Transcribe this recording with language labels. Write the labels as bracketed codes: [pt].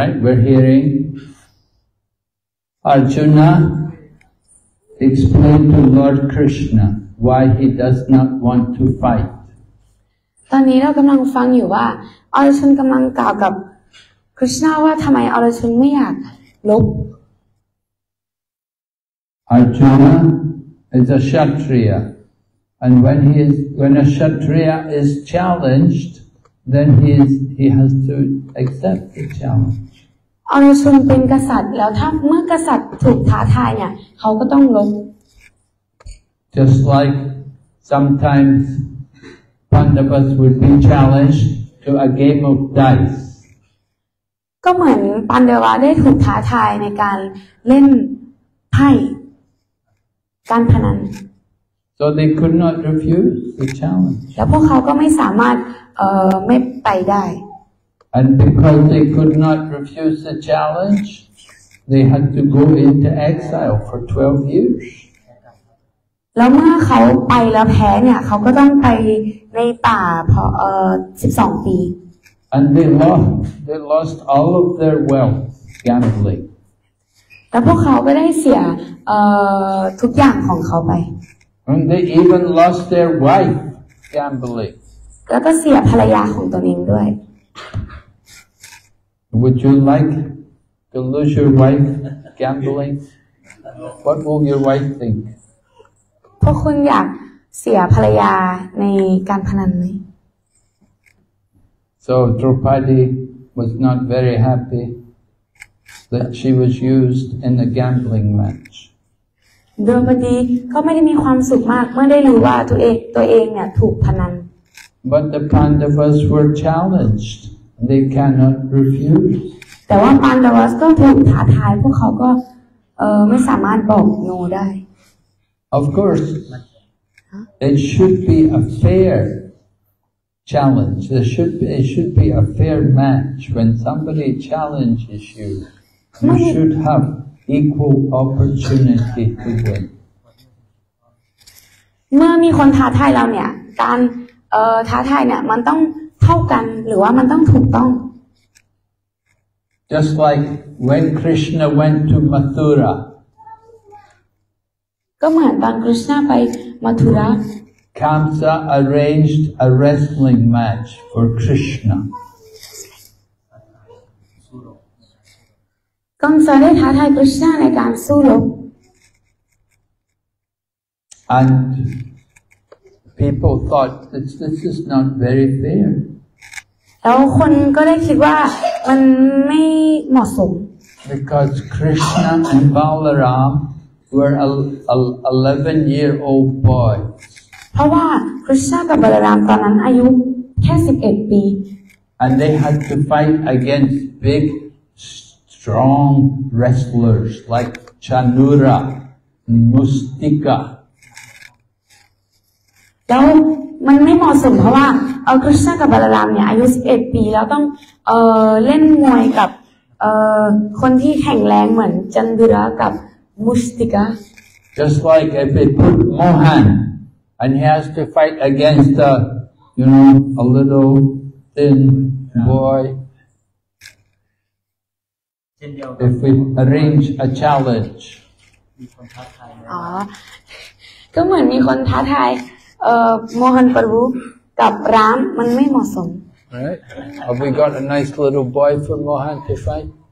[en] Rama Alright, we're hearing Arjuna explained to Lord Krishna why he does not want to fight. [th] ตอนนี้เรากำลังฟังอยู่ว่าอรชุนกำลังกล่าวกับคริชนาว่าทำไมอรชุนไม่อยากลบ [en] Arjuna is a Kshatriya. And when a Kshatriya is challenged, then he has to accept the challenge. [th] อนุชนเป็นกษัตริย์แล้วถ้าเมื่อกษัตริย์ถูกท้าทายเนี่ยเขาก็ต้องลบ [en] Just like sometimes Pandavas would be challenged to a game of dice [th] ก็เหมือนปันเดวะได้ถูกท้าทายในการเล่นไพ่การพนัน [en] So they could not refuse the challenge [th] แล้วพวกเขาก็ไม่สามารถไม่ไปได้ [en] And because they could not refuse the challenge, they had to go into exile for 12 years. [th] แล้วเมื่อเขาไปแล้วแพ้เนี่ยเขาก็ต้องไปในป่าเพราะ12ปี [en] And they lost all of their wealth gambling. [th] แล้วพวกเขาก็ได้เสียทุกอย่างของเขาไป [en] And they even lost their wife gambling. [th] แล้วก็เสียภรรยาของตนเองด้วย [en] Would you like to lose your wife gambling? What will your wife think? [th] พวกคุณอยากเสียภรรยาในการพนันไหม [en] So Draupadi was not very happy that she was used in a gambling match. [th] Draupadi ก็ไม่ได้มีความสุขมากเมื่อได้รู้ว่าตัวเองเนี่ยถูกพนัน [en] But the Pandavas were challenged. They cannot refuse. [th] แต่ว่าปันดาวัสก็ถูกท้าทายพวกเขาก็ไม่สามารถบอกโนได้ [en] Of course, it should be a fair challenge. It should be a fair match. When somebody challenges you, you should have equal opportunity to win. [th] เมื่อมีคนท้าทายเราเนี่ยการท้าทายเนี่ยมันต้องเท่ากันหรือว่ามันต้องถูกต้อง [en] Just like when Krishna went to Mathura [th] ก็เหมือนตอนคริสต์นาไปมัทุระ [en] Kamsa arranged a wrestling match for Krishna [th] กังสาได้ท้าทายคริสต์นาในการสู้รบ [en] And people thought this is not very fair. [th] แล้วคนก็ได้คิดว่ามันไม่เหมาะสม [en] Because Krishna and Balaram were a 11-year-old boy [th] เพราะว่าคริสต์กับบาลารามตอนนั้นอายุแค่11ปี [en] And they had to fight against big strong wrestlers like Chanura Mustika [th] แล้วมันไม่เหมาะสมเพราะว่าคริสต์กับบาลารามเนี่ยอายุ11ปีแล้วต้องเล่นมวยกับคนที่แข็งแรงเหมือนจันดุระกับมุสติกา [en] Just like if they put Mohan and he has to fight against a you know a little thin boy if we arrange a challenge [th] ก็เหมือนมีคนท้าทายMohan Prabhuกับรามมันไม่เหมาะสม [en] Right? Have we got a nice little boy for Mohan to fight?